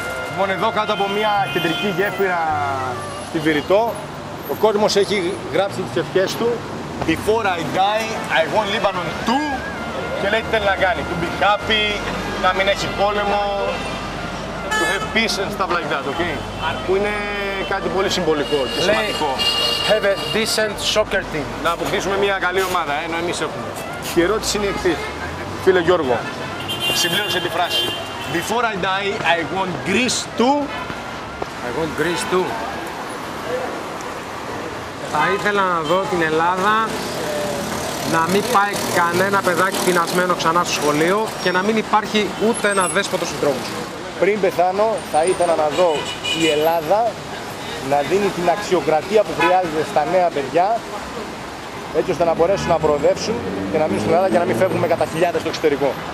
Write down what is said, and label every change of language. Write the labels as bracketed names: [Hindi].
[Greek] Λοιπόν, εδώ κάτω από μια κεντρική γέφυρα στη Βηρυτό, ο κόσμος έχει γράψει τις ευχές του. [English] Before I die, I want Lebanon too. [Greek] Και λέει τι θέλει να κάνει. [English] To be happy, [Greek] να μην έχει πόλεμο. [English] To have peace and stuff like that, ok? [Greek] Που είναι κάτι πολύ συμβολικό και λέει, σημαντικό. [English] Have a decent soccer team. [Greek] Να αποκτήσουμε μια καλή ομάδα, ενώ εμείς έχουμε. Η ερώτηση είναι η εξής. Φίλε Γιώργο, συμπλήρωσε τη φράση. [English] Before I die, I want Greece too. I want Greece too. [Greek] Θα ήθελα να δω την Ελλάδα να μην πάει κανένα παιδάκι πεινασμένο ξανά στο σχολείο και να μην υπάρχει ούτε ένα δέσποτο στους δρόμους. Πριν πεθάνω, θα ήθελα να δω η Ελλάδα να δίνει την αξιοκρατία που χρειάζεται στα νέα παιδιά, έτσι ώστε να μπορέσουν να προοδεύσουν και να μείνουν στην Ελλάδα και να μην φεύγουν με κατά χιλιάδες στο εξωτερικό.